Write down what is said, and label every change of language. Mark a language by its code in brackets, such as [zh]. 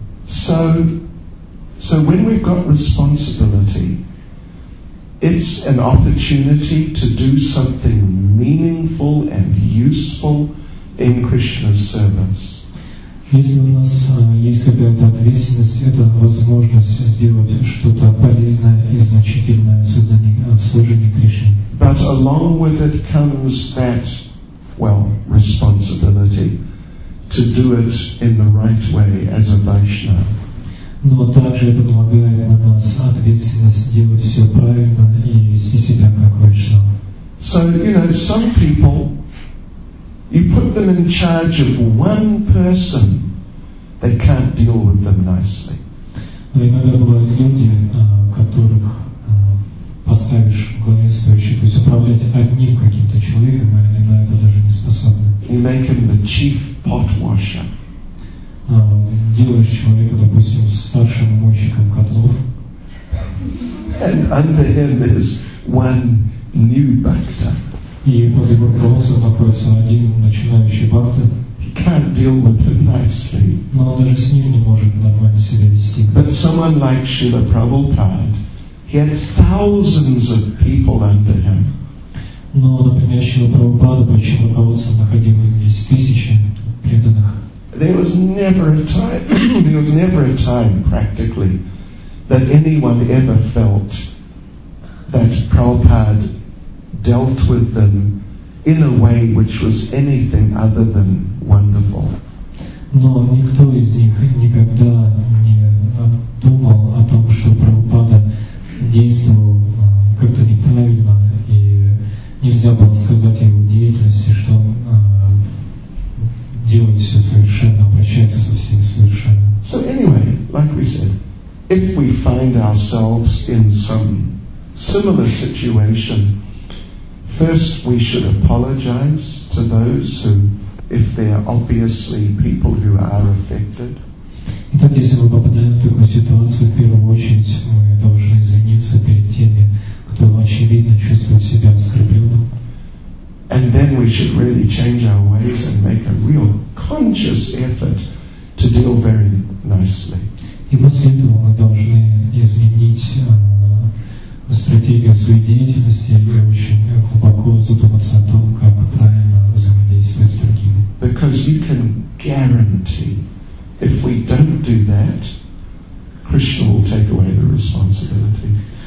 [en] So when we've got responsibility, it's an opportunity to do something meaningful and useful in Krishna's service. [ru] Если у нас есть какая-то ответственность, это возможность сделать что-то полезное и значительное в служении Кришне. [en] But along with it comes that, well, responsibility to do it in the right way as a Vaishnava. [ru] Но также это помогает на нас ответственность делать все правильно и вести себя как Вайшнава. [en] So, you know, some people, you put them in charge of one person, they can't deal with them nicely. [ru] Но иногда бывают люди, которых поставишь в главе стоящих, то есть управлять одним каким-то человеком, и они на это даже не способны. [en] You make him the chief pot washer. [ru] Делаешь человека, допустим, старшим мойщиком котлов. [en] And under him is one new bhakta. [ru] И под его руководством находится один начинающий бхакта. [en] He can't deal with it nicely. [ru] Но он даже с ним не может нормально себя вести. [en] But someone like Srila Prabhupada, he had thousands of people under him. [ru] Но, например, Srila Prabhupada, под чьим руководством находились тысячи преданных. [en] There was never a time practically that anyone ever felt that Prabhupada dealt with them in a way which was anything other than wonderful. [ru] Но никто из них никогда не думал о том, что Прабхупада действовал как-то неправильно, и нельзя было сказать его деятельности, что он делает все совершенно, обращается со всеми совершенно. [en] So anyway, like we said, if we find ourselves in some similar situation, first we should apologize to those who, if they are obviously people who are affected. [ru] Итак, если мы попадаем в такую ситуацию, в первую очередь мы должны извиниться перед теми, кто очевидно чувствует себя оскорбленным. [en] And then we should really change our ways and make a real conscious effort to deal very nicely. [ru] И после этого мы должны изменить стратегию своей деятельности и очень глубоко задуматься о том, как правильно взаимодействовать с другими. [en] Because you can guarantee, if we don't do that, Krishna will take away the responsibility.